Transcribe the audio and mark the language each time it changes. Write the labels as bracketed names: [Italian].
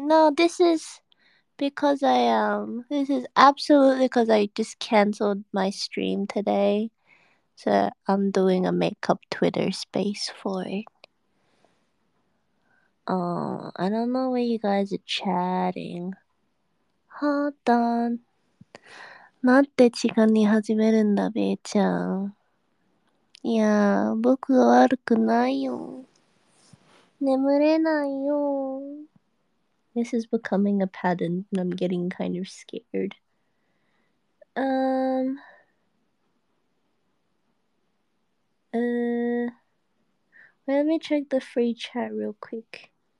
[English] No, this is because this is absolutely because I just canceled my stream today. So I'm doing a makeup Twitter space for it. Oh, I don't know where you guys are chatting. Hold on. [Japanese] なんて時間に始めるんだ、べーちゃん。いやー、僕が悪くないよ。眠れないよ。 [English] This is becoming a pattern and I'm getting kind of scared. Let me check the free chat real quick.